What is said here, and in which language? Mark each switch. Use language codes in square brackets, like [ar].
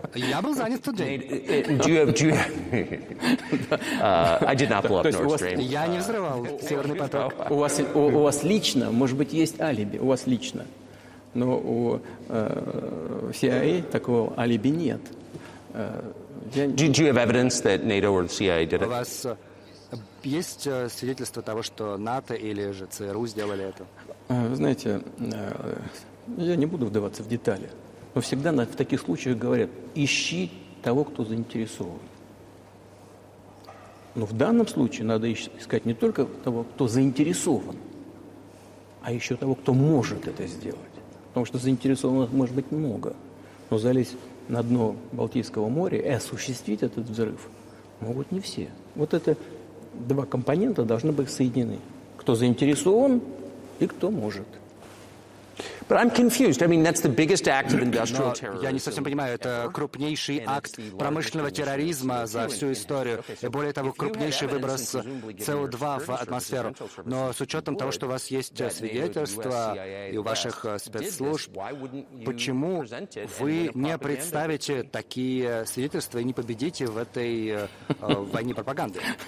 [ru] Я был занят тот день. [en] I did not blow up Nord Stream. [ru] Я не взрывал Северный поток. У вас лично, может быть, есть алиби, у вас лично. Но у CIA такого алиби нет. [en] Do you have evidence that NATO or the CIA did it? [ru] У вас есть свидетельство того, что НАТО или же ЦРУ сделали это? Вы знаете, я не буду вдаваться в детали. Но всегда в таких случаях говорят, ищи того, кто заинтересован. Но в данном случае надо искать не только того, кто заинтересован, а еще того, кто может это сделать. Потому что заинтересованных может быть много. Но залезть на дно Балтийского моря и осуществить этот взрыв могут не все. Вот это два компонента должны быть соединены. Кто заинтересован и кто может. [en] But I'm confused. I mean, that's the biggest act of industrial terrorism. [ru] Я не совсем понимаю. Это крупнейший акт промышленного терроризма за всю историю. И более того, крупнейший выброс СО2 в атмосферу. Но с учетом того, что у вас есть свидетельства и у ваших спецслужб, почему вы не представите такие свидетельства и не победите в этой войне пропаганды?